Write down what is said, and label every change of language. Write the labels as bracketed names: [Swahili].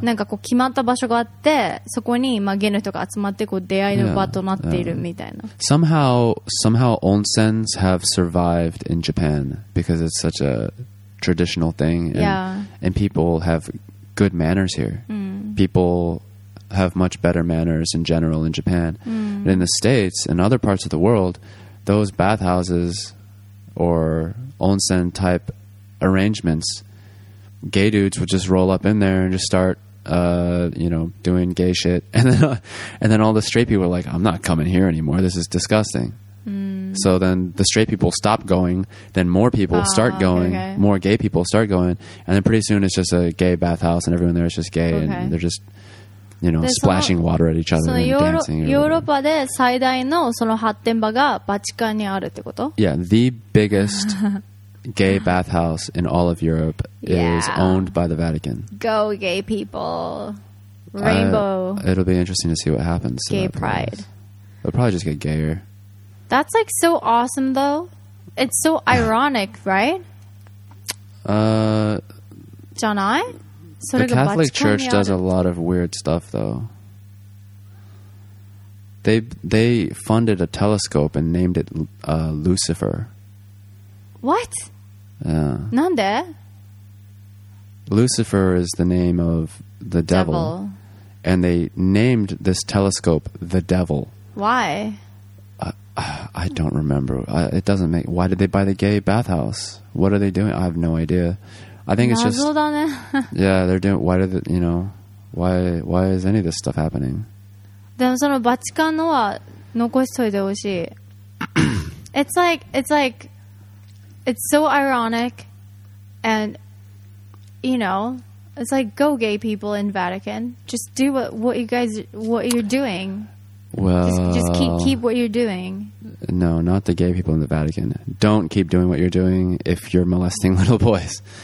[Japanese] なんかこう決まった場所があって、そこにまあゲイの人が集まってこう出会いの場となっているみたいな。 [English] Yeah. Somehow onsens have survived in Japan because it's such a traditional thing and, yeah. and people have good manners here. People have much better manners in general in Japan. But in the States and other parts of the world, those bathhouses or onsen type arrangements, gay dudes would just roll up in there and just start doing gay shit, and then all the straight people are like, I'm not coming here anymore, this is disgusting. So then the straight people stop going, then more people start going. More gay people start going, and then pretty soon it's just a gay bathhouse and everyone there is just gay. And they're just, you know, splashing water at each other and dancing. [Japanese] ヨーロッパで最大のその発展場がバチカンにあるってこと? [English] Yeah, the biggest gay bathhouse in all of Europe is owned by the Vatican. Go, gay people. Rainbow. It'll be interesting to see what happens. Gay pride. It'll probably just get gayer. That's like so awesome, though. It's so ironic, right? [Japanese] Janai? [English] The Catholic Church does a lot of weird stuff, though. They funded a telescope and named it Lucifer. What? Yeah. [Japanese] Nande? [English] Lucifer is the name of the devil. And they named this telescope the devil. Why? I don't remember. Why did they buy the gay bathhouse? What are they doing? I have no idea. I think it's just [Japanese] 謎だね。 [English] Yeah, they're doing. Why did you know? Why is any of this stuff happening? [Japanese] でもそのバチカンのは残しといてほしい。 [English] It's like it's so ironic, and you know, it's like go gay people in Vatican. Just do what you're doing. Well, just keep what you're doing. No, not the gay people in the Vatican. Don't keep doing what you're doing if you're molesting little boys.